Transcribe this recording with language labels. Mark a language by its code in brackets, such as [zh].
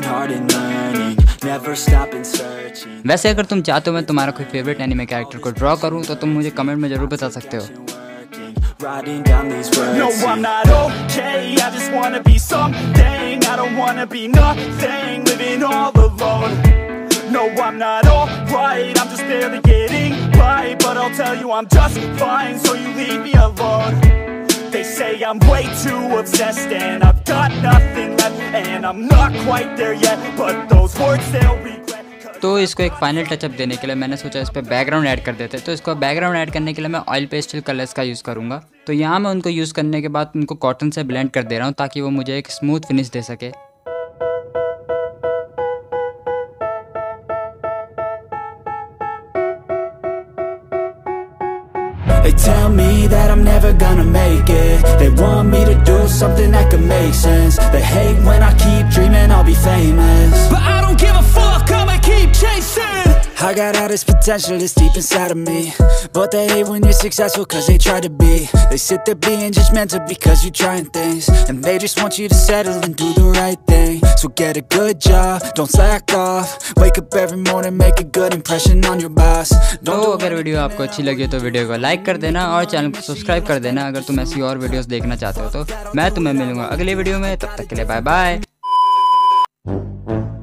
[hi] वैसे अगर तुम चाहते हो मैं तुम्हारा कोई फेवरेट एनिमे कैरेक्टर को ड्रॉ करूं तो तुम मुझे कमेंट में जरूर बता सकते हो। [en] No, I'm not alright, I'm just barely getting by. But I'll tell you I'm just fine, so you leave me alone. They say I'm way too obsessed and I've got nothing left. And I'm not quite there yet, but those words they'll be. [hi] तो इसको एक final touch-up देने के लिए मैंने सोचा इस पर बैकग्राउंड ऐड कर देते हैं। तो इसको बैकग्राउंड ऐड करने के लिए मैं ऑयल पेस्टल कलर्स का यूज़ करूँगा। तो यहाँ मैं उनको यूज़ करने के बाद उनको कॉटन से ब्लेंड कर दे रहा हूँ ताकि वो मुझे एक स्मूथ फिनिश दे सके। [en] They tell me that I'm never gonna make it. They want me to do something that could make sense. They hate when I keep dreaming I'll be famous. But I don't give a fuck, I'ma keep chasing. I got all this potential that's deep inside of me. But they hate when you're successful cause they try to be. They sit there being judgmental because you're trying things. And they just want you to settle and do the right thing. So get a good job, don't slack off. Wake up every morning, make a good impression on your boss. [hi] तो अगर video आपको अच्छी लगी हो तो video को like कर देना और चैनल को सब्सक्राइब कर देना अगर तुम ऐसी और वीडियोस देखना चाहते हो तो. मैं तुम्हें मिलूंगा अगले वीडियो में, तब तक के लिए बाय बाय.